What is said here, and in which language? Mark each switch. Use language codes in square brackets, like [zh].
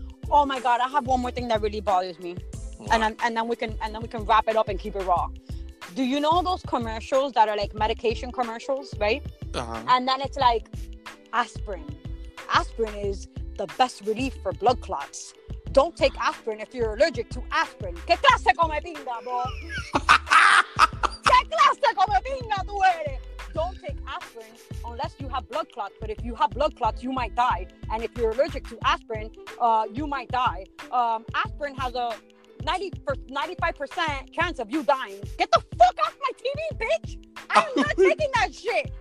[en] Oh my God, I have one more thing that really bothers me, and then we can wrap it up and keep it raw. Do you know those commercials that are like medication commercials, right? Uh-huh. And then it's like aspirin. Aspirin is the best relief for blood clots. Don't take aspirin if you're allergic to aspirin. [es] ¿Qué clase come pinga, bro? ¿Qué clase come pinga tú eres? [en] Don't take aspirin unless you have blood clots. But if you have blood clots, you might die. And if you're allergic to aspirin, you might die. Aspirin has a 95% chance of you dying. Get the fuck off my TV, bitch! I'm not taking that shit!